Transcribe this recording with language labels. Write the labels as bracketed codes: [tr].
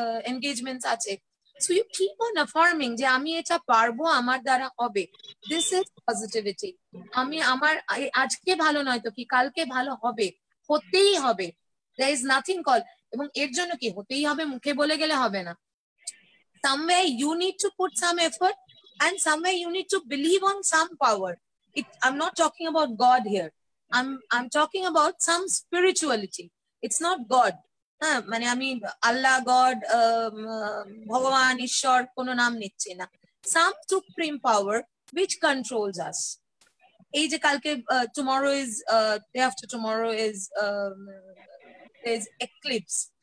[bn] এনগেজমেন্টস আছে, [en] so you keep on affirming [bn] যে আমি এটা পারবো, আমার দ্বারা হবে, [en] this is positivity, [bn] আমি আমার আজকে ভালো নয় তো কি কালকে ভালো হবে, হতেই হবে, [en] there is nothing call, [bn] এবং এর জন্য কি হতেই হবে মুখে বলে গেলে হবে না, [en] Someway you need to put some effort and someway you need to believe on some power. I'm not talking about God here. I'm talking about some spirituality. It's not God. [bn] মানে আমি আল্লাহ, গড, ভগবান, ঈশ্বর কোনো নাম নিচ্ছি না, [en] some supreme power which controls us. [bn] এই যে কালকে [en] tomorrow is day after tomorrow is there's eclipse.